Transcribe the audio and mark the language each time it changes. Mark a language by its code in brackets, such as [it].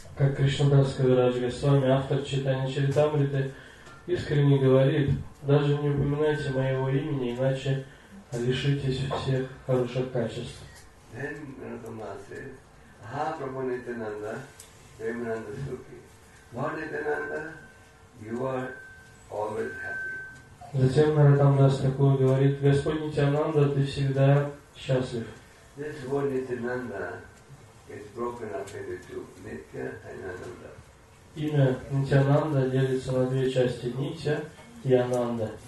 [ru] Как Кришнадас Кавирадж Госвами, автор Чайтанья Чаритамриты, искренне говорит, даже не упоминайте моего имени, иначе лишитесь всех хороших качеств. [en] Then Ранатамрита says, [bn] Ha Prabhu Nityananda, Premananda Sukhi. [en] Lord Nityananda, you are always happy. [ru] Затем Наратамдас такую говорит, Господь Нитянанда, ты всегда счастлив. [en] This word Nityananda is broken up into two, Nitya and Ananda. [ru] Имя Нитянанда делится на две части, Нитя и Ананда.